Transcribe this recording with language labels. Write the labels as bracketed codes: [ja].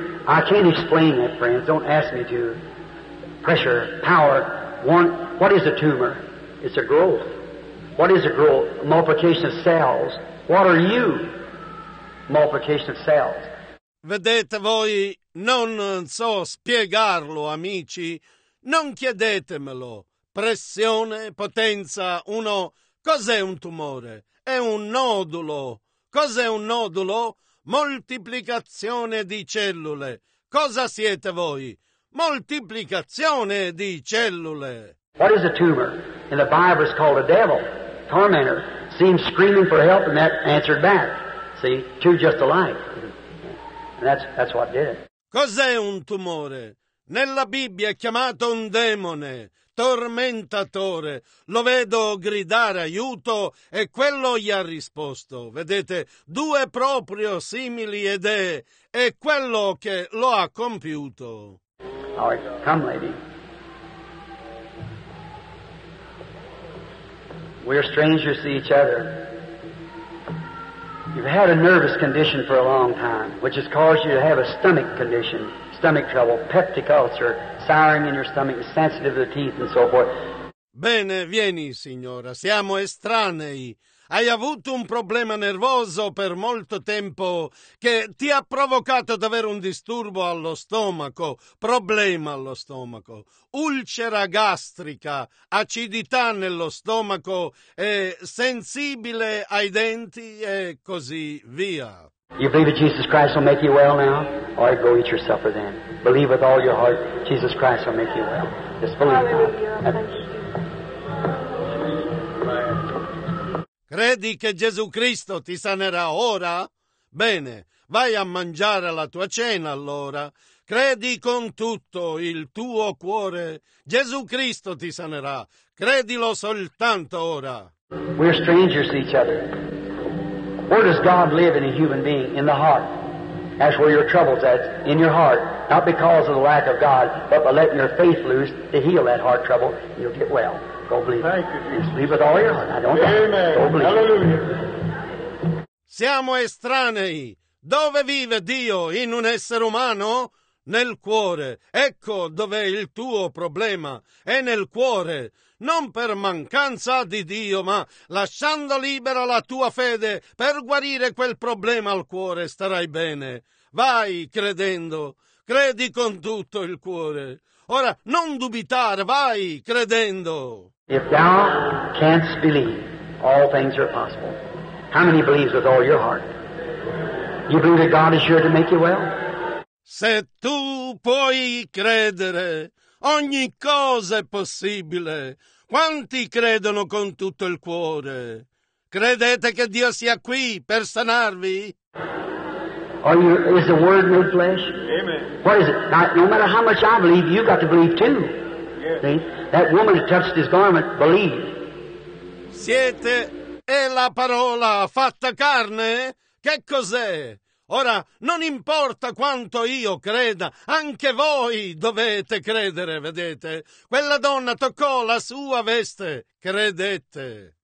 [en] I can't explain it, friends. Don't ask me to. Pressure, power, want. What is a tumor? It's a growth. What is a growth? Multiplication of cells. What are you? Multiplication of cells. [it] Vedete voi, non so spiegarlo, amici. Non chiedetemelo. Pressione, potenza, uno... Cos'è un tumore? È un nodulo. Cos'è un nodulo? Moltiplicazione di cellule. Cosa siete voi? Moltiplicazione di cellule. [en] What is a tumor? In the Bible it's called a devil. Tormentor seems screaming for help and that answered back. See, two just alike. And that's what did it. [it] Cos'è un tumore? Nella Bibbia è chiamato un demone, tormentatore. Lo vedo gridare aiuto e quello gli ha risposto. Vedete, due proprio simili ed è quello che lo ha compiuto. [en] All right, come lady. We're strangers to each other. You've had a nervous condition for a long time, which has caused you to have a stomach condition, stomach trouble, peptic ulcer, souring in your stomach, sensitive to the teeth and so forth. [it] Bene, vieni, signora. Siamo estranei. Hai avuto un problema nervoso per molto tempo che ti ha provocato ad avere un disturbo allo stomaco, problema allo stomaco, ulcera gastrica, acidità nello stomaco, sensibile ai denti e così via. [en] You believe that Jesus Christ will make you well now? Or go eat your supper then. Believe with all your heart Jesus Christ will make you well. Just believe. [it] Credi che Gesù Cristo ti sanerà ora? Bene, vai a mangiare la tua cena allora. Credi con tutto il tuo cuore. Gesù Cristo ti sanerà. Credilo soltanto ora. [en] We're strangers to each other. Where does God live in a human being? In the heart. That's where your trouble's at, in your heart. Not because of the lack of God, but by letting your faith loose to heal that heart trouble, you'll get well. Go believe. Thank you, Jesus. Just believe with all your heart. I don't know. Go believe. Hallelujah. [it] Siamo estranei. Dove vive Dio? In un essere umano? Nel cuore. Ecco dov'è il tuo problema. È nel cuore. Non per mancanza di Dio, ma lasciando libera la tua fede per guarire quel problema al cuore, starai bene. Vai credendo. Credi con tutto il cuore. Ora, non dubitare, vai credendo. [en] If thou canst believe, all things are possible. How many believes with all your heart? You believe that God is sure to make you well? [it] Se tu puoi credere, ogni cosa è possibile. Quanti credono con tutto il cuore? Credete che Dio sia qui per sanarvi? [en] Are you, is the Word made flesh? Amen. What is it? Now, no matter how much I believe, you've got to believe too. Yes. See? That woman who touched his garment, believe. [it] Siete è la parola fatta carne? Che cos'è? Ora, non importa quanto io creda, anche voi dovete credere, vedete? Quella donna toccò la sua veste, credete.